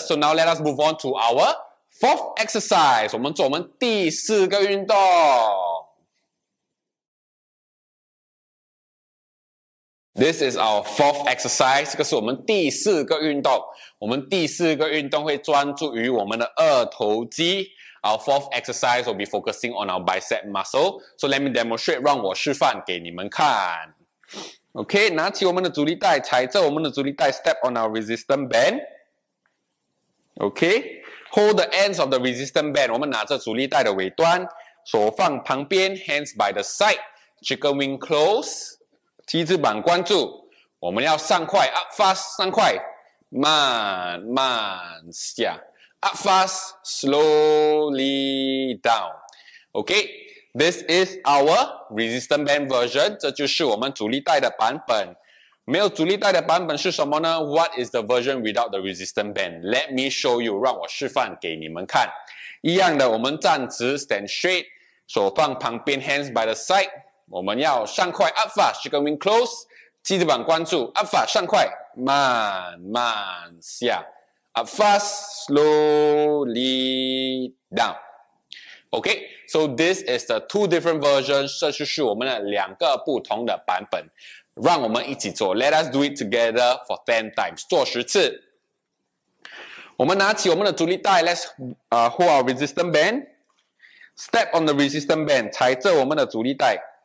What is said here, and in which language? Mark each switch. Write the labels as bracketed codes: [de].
[en] So now let us move on to our fourth exercise. [zh] 我们做我们第四个运动。 [en] This is our fourth exercise. [zh] 这个是我们第四个运动。我们第四个运动会专注于我们的二头肌。 [en] Our fourth exercise will be focusing on our bicep muscle. So let me demonstrate, [zh] 让我示范给你们看。 [en] Okay, [zh] 拿起我们的阻力带，踩着我们的阻力带 ， [en] step on our resistance band. Okay, hold the ends of the resistance band. [zh] 我们拿着阻力带的尾端，手放旁边 ， [en] hands by the side, chicken wing close, [zh] 七字板关住。我们要上快 ， [en] up fast, [zh] 上快。慢慢下 [en] up fast, slowly down. Okay, this is our resistance band version. [zh] 这就是我们阻力带的版本。没有阻力带的版本是什么呢？ [en] What is the version without the resistance band? Let me show you, [zh] 让我示范给你们看。一样的，我们站直 [en] stand straight, [zh] 手放旁边 [en] hands by the side, [zh] 我们要上快 [en] up fast, [zh] 这个 [en] wing close, [zh] 七字板关注 [en] up fast [zh] 上快慢慢下 [en] up fast slowly down. Okay, so this is the two different versions. [zh] 这就是我们的两个不同的版本。让我们一起做 [en] ，Let us do it together for 10 times. [zh] 做十次。我们拿起我们的阻力带 [en] ，Let's hold our resistance band. Step on the resistance band. [zh] 踩着我们的阻力带。